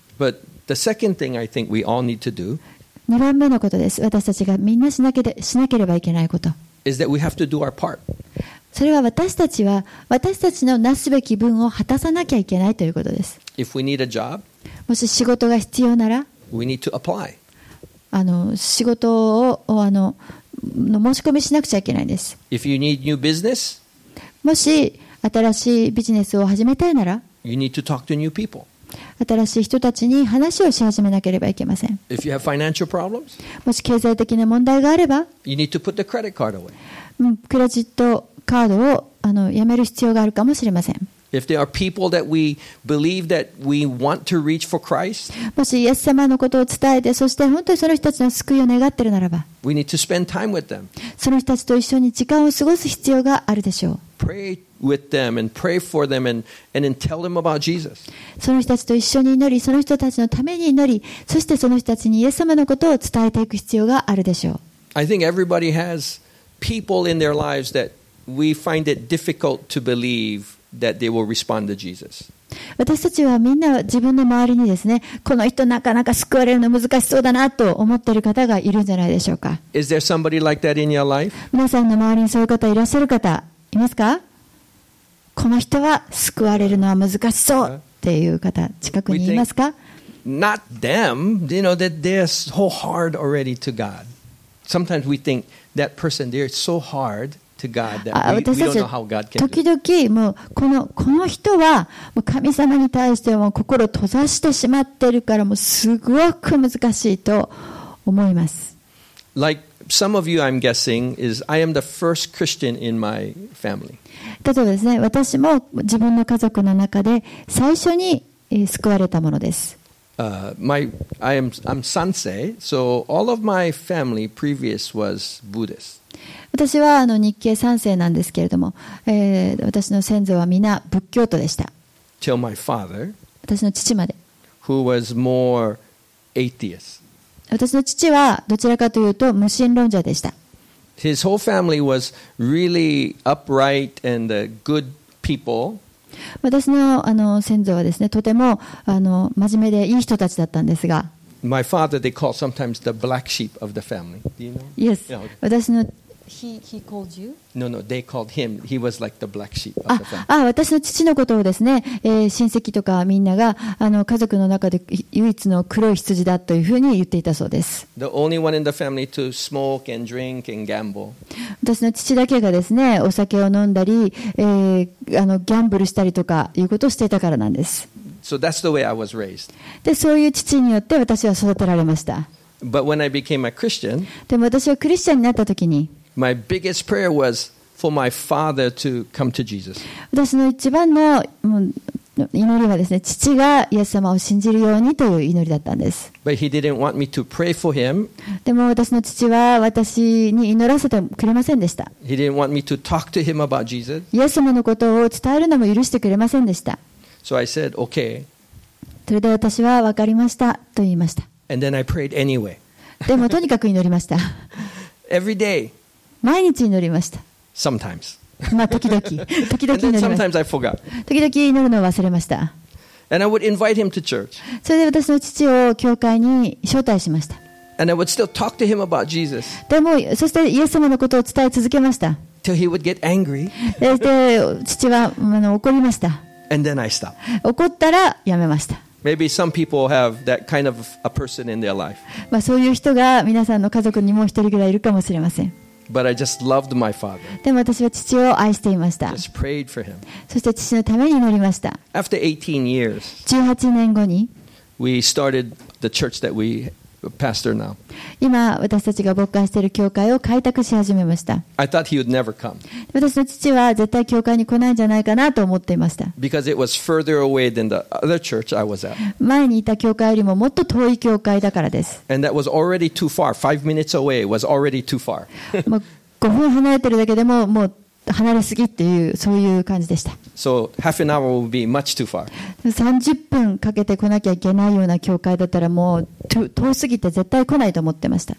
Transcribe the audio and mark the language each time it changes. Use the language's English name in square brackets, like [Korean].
[English] But the second thing I think we all need to do [Japanese] 二番目のことです。私たちがみんなしなければいけないこと、それは私たちのなすべき分を果たさなきゃいけないということです。 [English] If we need a job, [Japanese] もし仕事が必要なら、 [English] we need to apply. [Japanese] 仕事をの申し込みしなくちゃいけないんです。 [English] If you need new business, [Japanese] もし新しいビジネスを始めたいなら、 [English] you need to talk to new people. [Japanese] 新しい人たちに話をし始めなければいけません。 [English] If you have financial problems, [Japanese] もし経済的な問題があれば [English] you need to put the credit card away. [Japanese] クレジットカードをやめる必要があるかもしれません。 [English] If there are people that we believe that we want to reach for Christ, [Japanese] もしイエス様のことを伝えてそして本当にその人たちの救いを願っているならば [English] we need to spend time with them. [Japanese] その人たちと一緒に時間を過ごす必要があるでしょう。 [English] Pray with them and pray for them and then tell them about Jesus. [Japanese] その人たちと一緒に祈り、その人たちのために祈り、そしてその人たちにイエス様のことを伝えていく必要があるでしょう。 [English] I think everybody has people in their lives that we find it difficult to believe that they will respond to Jesus. [Japanese] 私たちはみんな自分の周りにですね、この人なかなか救われるの難しそうだなと思っている方がいるんじゃないでしょうか。 [English] Is there somebody like that in your life? [Japanese] 皆さんの周りにそういう方いらっしゃる方いますか？この人は救われるのは難しそうっていう方近くにいますか？ [English] Not them, you know, that they're so hard already to God. Sometimes we think that person, they're so hard to God that we don't know how God can do. [Japanese] 時々もうこの人はもう神様に対しても心閉ざしてしまってるからもうすごく難しいと思います。 [English] Like some of you, I'm guessing, is I am the first Christian in my family. [Japanese] 例えばですね、私も自分の家族の中で最初に救われたものです。 [English] I'm Sansei, so all of my family previous was Buddhist. [Japanese] 私は日系三世なんですけれども、私の先祖は皆仏教徒でした。 [English] Till my father, [Japanese] 私の父まで。 [English] Who was more atheist. [Japanese] 私の父はどちらかというと無神論者でした。 [English] His whole family was really upright and good people. [Japanese] 私 の, 先祖はですね、とても真面目でいい人たちだったんですが、 [English] My father, they call sometimes the black sheep of the family. Do you know? Yes. You know. [Japanese] 私の [English] he called you? No, no. They called him. He was like the black sheep of the family. [Japanese] 私の父のことをですね、親戚とかみんなが家族の中で唯一の黒い羊だというふうに言っていたそうです。 [English] The only one in the family to smoke and drink and gamble. [Japanese] 私の父だけがですね、お酒を飲んだり、ギャンブルしたりとかいうことをしていたからなんです。 [English] So that's the way I was raised. [Japanese] で、そういう父によって私は育てられました。 [English] But when I became a Christian, [Japanese] でも私はクリスチャンになったときに、 [English] My biggest prayer was for my father to come to Jesus. [Japanese] 私の一番の祈りはですね、父がイエス様を信じるようにという祈りだったんです。 [English] But he didn't want me to pray for him. [Japanese] でも私の父は私に祈らせてくれませんでした。 [English] He didn't want me to talk to him about Jesus. [Japanese] イエス様のことを伝えるのも許してくれませんでした。 [English] So I said, okay. [Japanese] それで私は分かりましたと言いました。 [English] And then I prayed anyway. [Japanese] でもとにかく祈りました。 [English] Every day. [Japanese] 毎日祈りました。 [English] Sometimes. [Japanese] まあ時々、時々祈りました。 [English] Sometimes I forgot. [Japanese] 時々祈るのを忘れました。 [English] And I would invite him to church. [Japanese] それで私の父を教会に招待しました。 [English] And I would still talk to him about Jesus. [Japanese] でもそしてイエス様のことを伝え続けました。 [English] Till he would get angry. [Japanese] で父は怒りました。 [English] And then I stopped. [Japanese] 怒ったらやめました。 [English] Maybe some people have that kind of a person in their life. [Japanese] まあそういう人が皆さんの家族にも一人ぐらいいるかもしれません。 [English] But I just loved my father. [Japanese] でも私は父を愛していました。 [English] Just prayed for him. [Japanese] そして父のために祈りました。 [English] After 18 years, [Japanese] 18年後に、 [English] we started the church that we pastor now. [Japanese] 今私たちが牧会している教会を開拓し始めました。 [English] I thought he would never come. [Japanese] 私の父は絶対教会に来ないんじゃないかなと思っていました。 [English] Because it was further away than the other church I was at. [Japanese] 前にいた教会よりももっと遠い教会だからです。 [English] And that was already too far. 5 minutes away was already too far. [Japanese] もう5分離れてるだけでももう離れすぎっていうそういう感じでした。 [English] So half an hour will be much too far. [Japanese] 30分かけて来なきゃいけないような教会だったらもう遠すぎて絶対来ないと思ってました。